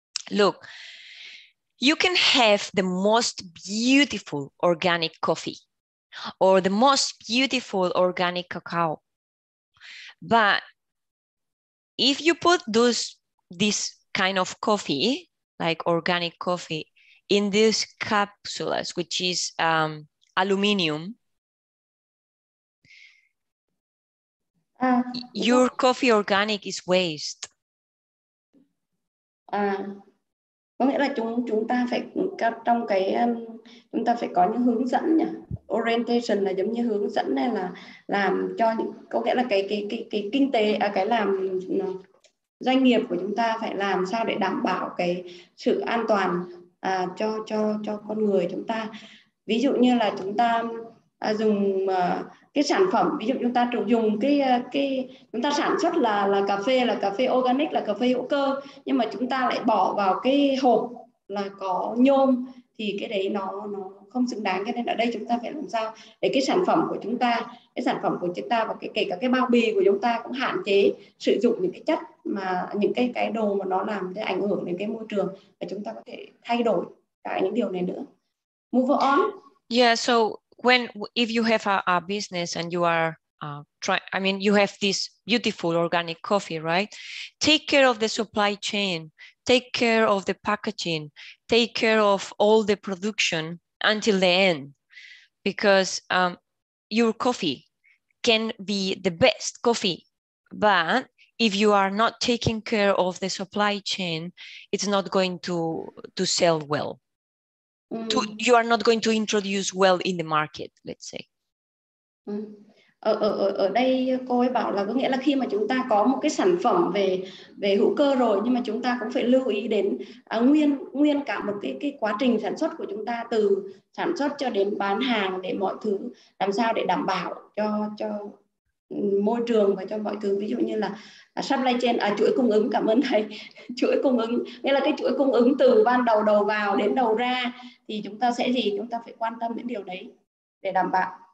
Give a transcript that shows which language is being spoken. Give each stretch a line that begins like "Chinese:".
English: Look, you can have the most beautiful organic coffee or the most beautiful organic cacao, but if you put this kind of coffee, like organic coffee, in these capsules, which is aluminium, your coffee organic is waste.
Vietnamese: Có nghĩa là chúng ta phải trong cái chúng ta phải có những hướng dẫn nhỉ? Orientation là giống như hướng dẫn này, là làm cho những, có nghĩa là cái kinh tế, cái làm doanh nghiệp của chúng ta phải làm sao để đảm bảo cái sự an toàn cho con người chúng ta. Ví dụ như là chúng ta dùng cái sản phẩm, ví dụ chúng ta dùng cái chúng ta sản xuất là cà phê organic, là cà phê hữu cơ, nhưng mà chúng ta lại bỏ vào cái hộp là có nhôm, thì cái đấy nó không xứng đáng. Cho nên ở đây chúng ta phải làm sao để cái sản phẩm của chúng ta và kể cả cái bao bì của chúng ta cũng hạn chế sử dụng những cái chất mà những cái đồ mà nó làm cái ảnh hưởng đến cái môi trường, và chúng ta có thể thay đổi cả những điều này nữa. Move on.
English: Yeah, so when, if you have a business and you are you have this beautiful organic coffee, right? Take care of the supply chain, take care of the packaging, take care of all the production until the end, because your coffee can be the best coffee, but if you are not taking care of the supply chain, it's not going to sell well. You are not going to introduce well in the market, let's say.
Vietnamese: Ở đây cô ấy bảo là có nghĩa là khi mà chúng ta có một cái sản phẩm về hữu cơ rồi, nhưng mà chúng ta cũng phải lưu ý đến nguyên cả một cái quá trình sản xuất của chúng ta, từ sản xuất cho đến bán hàng, để mọi thứ làm sao để đảm bảo cho môi trường và cho mọi thứ, ví dụ như là supply chain, chuỗi cung ứng, cảm ơn thầy, chuỗi cung ứng, nghĩa là cái chuỗi cung ứng từ ban đầu đầu vào đến đầu ra, thì chúng ta sẽ gì, chúng ta phải quan tâm đến điều đấy để đảm bảo.